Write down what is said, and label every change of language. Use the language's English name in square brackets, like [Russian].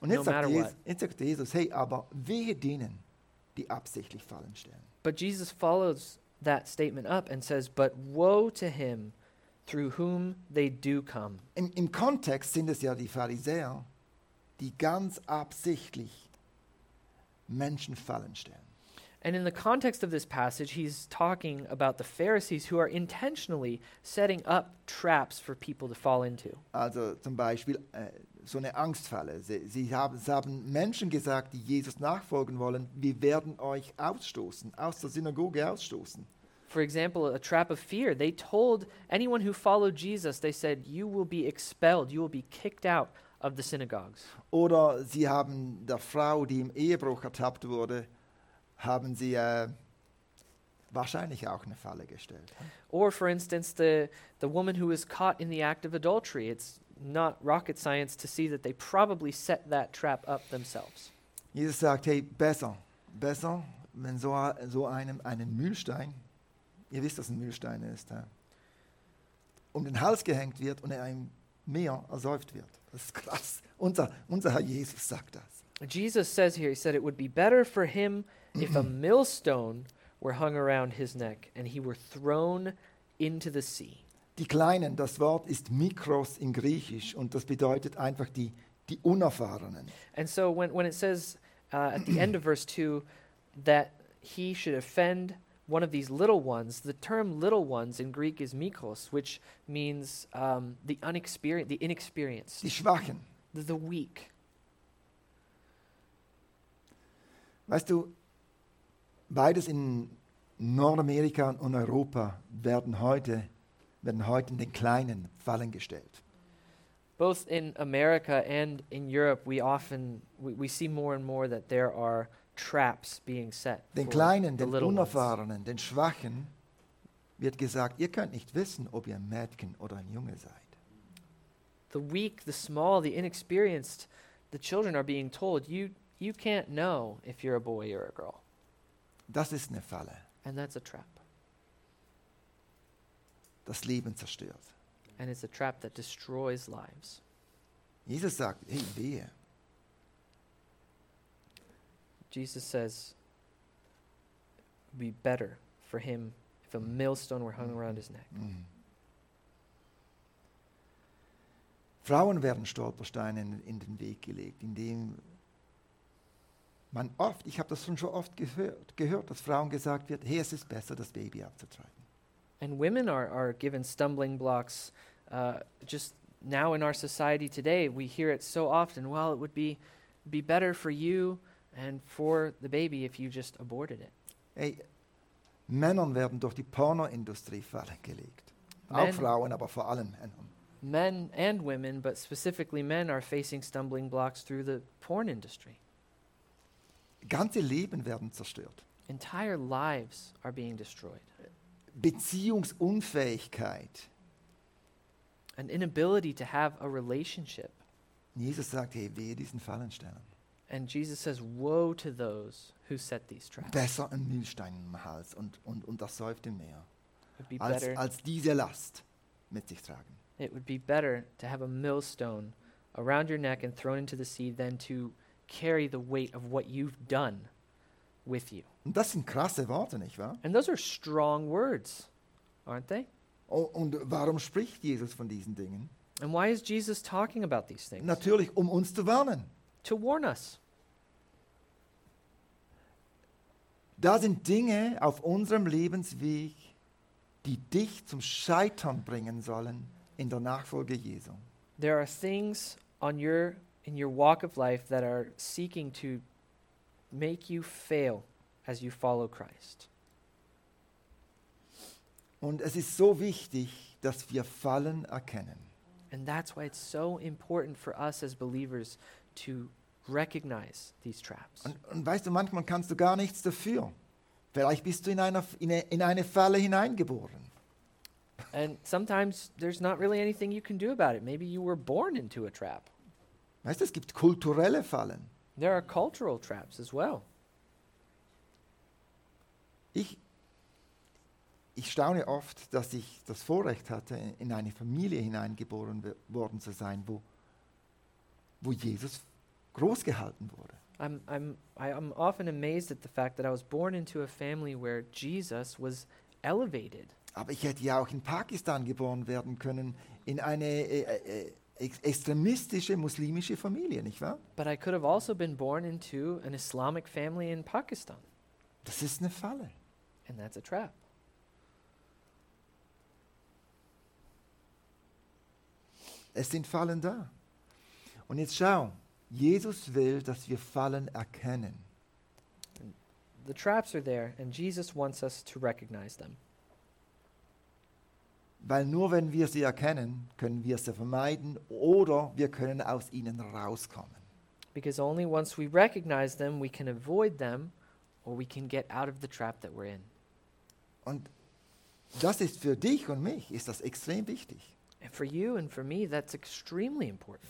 [German] und jetzt [English] no matter Jesus, what. [German] Jetzt sagt Jesus, hey, aber wehe denen, die absichtlich Fallen stellen. [English] But Jesus follows that statement up and says, but woe to him through whom they do come. [German] Im Kontext sind es ja die Pharisäer, die ganz absichtlich Menschen Fallen stellen. [English] And in the context of this passage, he's talking about the Pharisees who are intentionally setting up traps for people to fall into. [German] Also zum Beispiel so eine Angstfalle. Sie haben Menschen gesagt, die Jesus nachfolgen wollen, wir werden euch ausstoßen, aus der Synagoge ausstoßen. [English] For example, a trap of fear. They told anyone who followed Jesus, they said, you will be expelled, you will be kicked out of the synagogues. [German] Oder sie haben der Frau, die im Ehebruch ertappt wurde, haben sie wahrscheinlich auch eine Falle gestellt. [English] Or for instance, the woman who was caught in the act of adultery. It's not rocket science to see that they probably set that trap up themselves. [German] Jesus sagt, hey, besser, wenn so einem einen Mühlstein, ihr wisst, was ein Mühlstein ist, um den Hals gehängt wird und er im Meer ersäuft wird. Das ist krass. Unser Herr Jesus sagt das. [English] Jesus says here, he said it would be better for him if a millstone were hung around his neck and he were thrown into the sea. [German] Die Kleinen, das Wort ist Mikros in Griechisch und das bedeutet einfach die Unerfahrenen. [English] And so when it says at the end of verse 2 that he should offend one of these little ones, the term little ones in Greek is Mikros, which means the inexperienced. [German] Die Schwachen. [English] The weak. [German] Weißt du, beides in Nordamerika und Europa werden heute in den Kleinen Fallen gestellt. [English] Both in America and in Europe we see more and more that there are traps being set. [German] Den Kleinen, den Unerfahrenen, den Schwachen wird gesagt, ihr könnt nicht wissen, ob ihr ein Mädchen oder ein Junge seid. [English] The weak, the small, the inexperienced, the children are being told, you can't know if you're a boy or a girl. [German] Das ist eine Falle. [English] And that's a trap. [German] Das Leben zerstört. [English] And it's a trap that destroys lives. [German] Jesus sagt, hey, wehe. [English] Jesus says, it would be better for him if a millstone were hung around his neck. Mm. [German] Frauen werden Stolpersteine in den Weg gelegt, indem man oft, ich habe das schon oft gehört, dass Frauen gesagt wird, hey, es ist besser, das Baby abzutreiben. [English] And women are given stumbling blocks just now in our society today. We hear it so often. Well, it would be better for you and for the baby if you just aborted it. [German] Hey, Männern werden durch die Pornoindustrie Fallen gelegt. Auch Frauen, aber vor allem Männern. [English] Men and women, but specifically men, are facing stumbling blocks through the porn industry. [German] Ganze Leben werden zerstört. [English] Entire lives are being destroyed. [German] Beziehungsunfähigkeit. [English] An inability to have a relationship. [German] Jesus sagt, hey, wehe diesen Fallenstellern. [English] And Jesus says, woe to those who set these traps. [German] Besser ein Mühlstein im Hals und das säuft im Meer, als diese Last mit sich tragen. [English] It would be better to have a millstone around your neck and thrown into the sea than to carry the weight of what you've done with you. [German] Und das sind krasse Worte, nicht wahr? [English] And those are strong words, aren't they? [German] Und warum spricht Jesus von diesen Dingen? [English] And why is Jesus talking about these things? [German] Natürlich, um uns zu warnen. [English] To warn us. [German] Da sind Dinge auf unserem Lebensweg, die dich zum Scheitern bringen sollen in der Nachfolge Jesu. [English] There are things on in your walk of life that are seeking to make you fail as you follow Christ. [German] Und es ist so wichtig, dass wir Fallen erkennen. And that's why it's so important for us as believers to recognize these traps. Und weißt du, manchmal kannst du gar nichts dafür. Vielleicht bist du in eine Falle hineingeboren. [English] And sometimes there's not really anything you can do about it. Maybe you were born into a trap. [German] Weißt du, es gibt kulturelle Fallen. [English] There are cultural traps as well. [German] Ich staune oft, dass ich das Vorrecht hatte, in eine Familie hineingeboren worden zu sein, wo Jesus groß gehalten wurde. [English] I'm often amazed at the fact that I was born into a family where Jesus was elevated. [German] Aber ich hätte ja auch in Pakistan geboren werden können, in eine extremistische muslimische Familie, nicht wahr? [English] But I could have also been born into an Islamic family in Pakistan. [German] Das ist eine Falle. [English] And that's a trap. [German] Es sind Fallen da. Und jetzt schau, Jesus will, dass wir Fallen erkennen. [English] The traps are there and Jesus wants us to recognize them. [German] Weil nur wenn wir sie erkennen, können wir sie vermeiden oder wir können aus ihnen rauskommen. [English] Because only once we recognize them, we can avoid them or we can get out of the trap that we're in. [German] Und das ist für dich und mich, ist das extrem wichtig. [English] And for you and for me, that's extremely important.